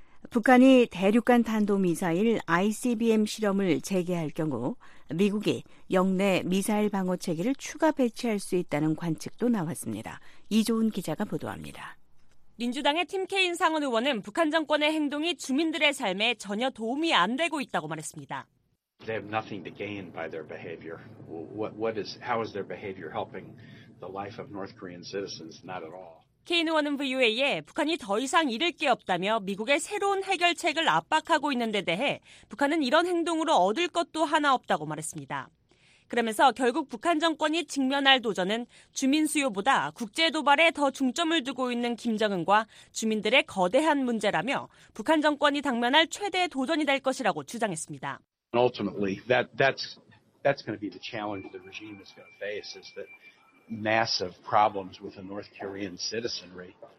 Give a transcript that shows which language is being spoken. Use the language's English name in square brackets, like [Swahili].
[Korean] 북한이 대륙간 탄도미사일 ICBM 실험을 재개할 경우 미국이 영내 미사일 방어 체계를 추가 배치할 수 있다는 관측도 나왔습니다. 이조은 기자가 보도합니다. 민주당의 팀케인 상원 의원은 북한 정권의 행동이 주민들의 삶에 전혀 도움이 안 되고 있다고 말했습니다. [English] They have nothing to gain by their behavior. How is their behavior helping the life of North Korean citizens? Not at all. [Korean] 케인 의원은 VOA에 북한이 더 이상 잃을 게 없다며 미국의 새로운 해결책을 압박하고 있는 데 대해 북한은 이런 행동으로 얻을 것도 하나 없다고 말했습니다. 그러면서 결국 북한 정권이 직면할 도전은 주민 수요보다 국제 도발에 더 중점을 두고 있는 김정은과 주민들의 거대한 문제라며 북한 정권이 당면할 최대의 도전이 될 것이라고 주장했습니다. [English] Ultimately, that's going to be the challenge the regime is going to face is that massive problems with the North Korean citizenry.